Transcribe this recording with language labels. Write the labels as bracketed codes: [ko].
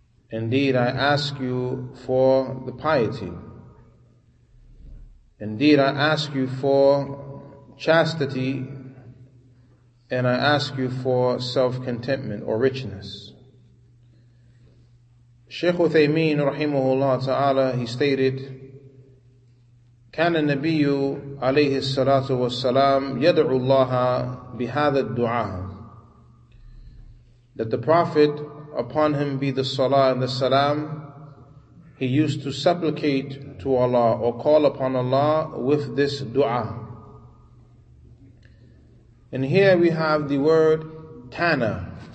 [en] Indeed I ask you for the piety. Indeed I ask you for chastity, and I ask you for self-contentment or richness. Shaykh Uthaymeen rahimahullah ta'ala, he stated, [ar] كان النبي عليه الصلاة والسلام يدعو الله بهذا الدعاء. [en] That the Prophet, upon him be the salah and the salam, he used to supplicate to Allah or call upon Allah with this dua. And here we have the word kana.